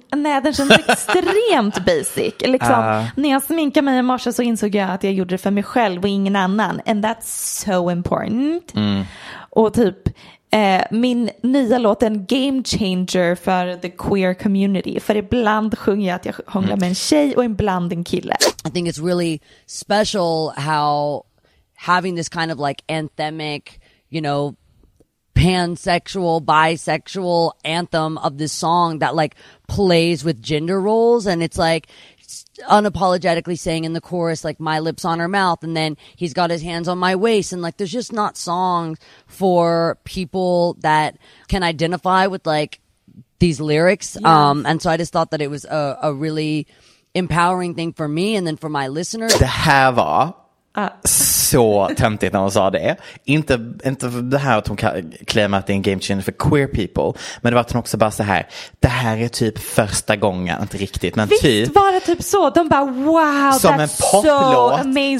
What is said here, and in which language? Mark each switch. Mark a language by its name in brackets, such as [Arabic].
[Swedish] Nej, den känns extremt basic. Liksom, när jag sminkade mig i morse så insåg jag att jag gjorde det för mig själv och ingen annan. [English] And that's so important. Mm. [Swedish] Och typ... min nya låt är en game changer för [English] the queer community. [Swedish] För ibland sjunger jag att jag hånglar med en tjej och ibland en kille. [English] I think it's really special how having this kind of like anthemic, you know, pansexual, bisexual anthem of this song that like plays with gender roles. And it's like unapologetically saying in the chorus, like my lips on her mouth, and then he's got his hands on my waist, and like there's just not songs for people that can identify with like these lyrics. Yes. And so I just thought that it was a really empowering thing for me and then for my listeners. [Swedish] Det här var så töntigt när hon sa det. Inte det här att hon klämmer att det är en game changer för queer people, men det var att hon också bara så här: det här är typ första gången, inte riktigt, men visst, typ. Var det typ så? De bara wow, som en poplåt, [English] so amazing.